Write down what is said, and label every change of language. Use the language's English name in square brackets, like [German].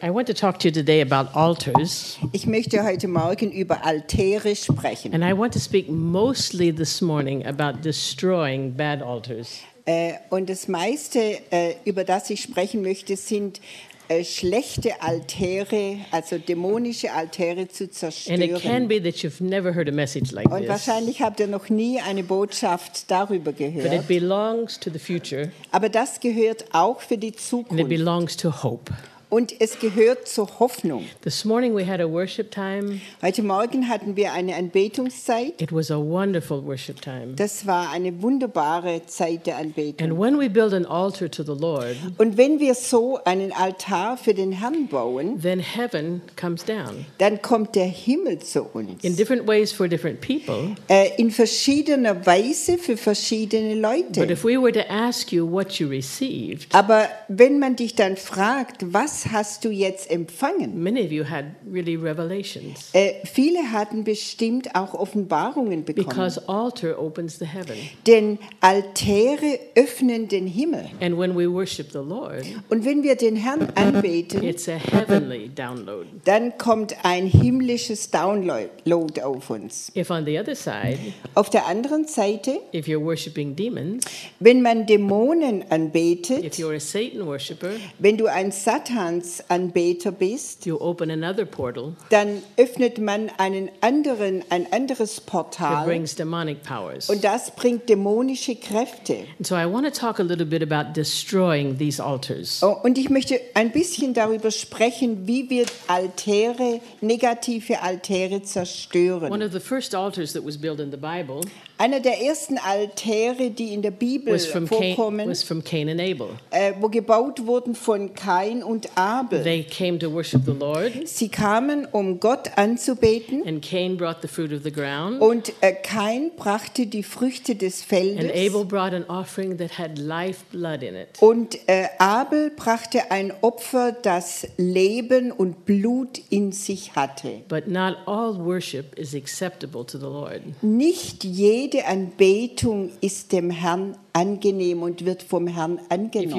[English] I want to talk to you today about altars. [German] Ich möchte heute Morgen über Altäre sprechen. [English] And I want to speak mostly this morning about destroying bad altars. [German] Und das meiste, über das ich sprechen möchte, sind schlechte Altäre, also dämonische Altäre zu zerstören. [English] And it can be that you've never heard a message like [German] this. Und wahrscheinlich habt ihr noch nie eine Botschaft darüber gehört. [English] But it belongs to the future. [German] Aber das gehört auch für die Zukunft. [English] And it belongs to hope. [German] Und es gehört zur Hoffnung. [English] This morning we had a worship time. [German] Heute Morgen hatten wir eine Anbetungszeit. [English] It was a wonderful worship time. [German] Das war eine wunderbare Zeit der Anbetung. [English] And when we build an altar to the Lord, [German] und wenn wir so einen Altar für den Herrn bauen, [English] then heaven comes down. [German] Dann kommt der Himmel zu uns. [English] In different ways for different people. [German] In verschiedener Weise für verschiedene Leute. [English] But if we were to ask you what you received, [German] aber wenn man dich dann fragt, was hast du jetzt empfangen? [English] Many of you had really revelations. [German] Viele hatten bestimmt auch Offenbarungen bekommen. [English] Because altar opens the heaven. [German] Denn Altäre öffnen den Himmel. [English] And when we worship the Lord, [German] und wenn wir den Herrn anbeten, [English] it's a heavenly download. [German] Dann kommt ein himmlisches Download auf uns. [English] If on the other side, [German] auf der anderen Seite, [English] if you're worshiping demons, [German] wenn man Dämonen anbetet, [English] if you're a Satan worshiper, [German] wenn du ein Satans Anbeter bist, [English] you open another portal, [German] dann öffnet man ein anderes Portal, [English] that brings demonic powers. [German] Und das bringt dämonische Kräfte. [English] And so I want to talk a little bit about destroying these altars. [German] Oh, und ich möchte ein bisschen darüber sprechen, wie wir Altäre, negative Altäre zerstören. [English] One of the first altars that was built in the Bible, [German] einer der ersten Altäre, die in der Bibel vorkommen, [English] was from Cain and Abel, [German] wo gebaut wurden von Cain und Abel. [English] They came to worship the Lord. [German] Sie kamen, um Gott anzubeten. [English] And Cain brought the fruit of the ground. [German] Und Cain brachte die Früchte des Feldes. [English] And Abel brought an offering that had life blood in it. [German] Und Abel brachte ein Opfer, das Leben und Blut in sich hatte. [English] But not all worship is acceptable to the Lord. [German] Nicht jede Anbetung ist dem Herrn angenehm und wird vom Herrn angenommen.